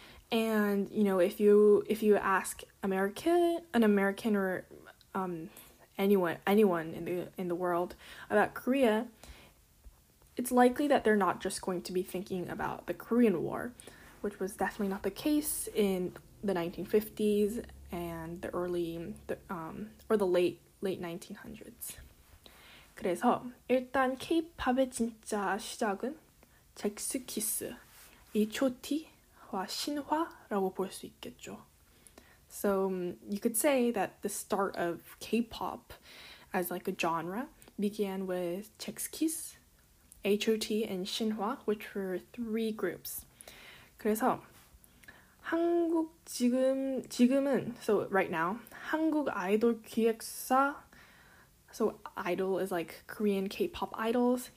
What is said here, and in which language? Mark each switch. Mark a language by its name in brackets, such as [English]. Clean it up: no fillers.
[English] And if you ask an American or anyone in the world about Korea, it's likely that they're not just going to be thinking about the Korean War, which was definitely not the case in the 1950s and the early the, or the late 1900s. [Korean] 그래서 일단 K-pop의 진짜 시작은 잭스키스, 이초티와 신화라고 볼수 있겠죠. [English] So you could say that the start of K-pop as like a genre began with Jaxkiss, H.O.T. and Shinhwa, which were three groups. [Korean] 그래서 한국 지금은 [English] so right now [Korean] 한국 아이돌 기획사 [English] so idol is like Korean K-pop idols.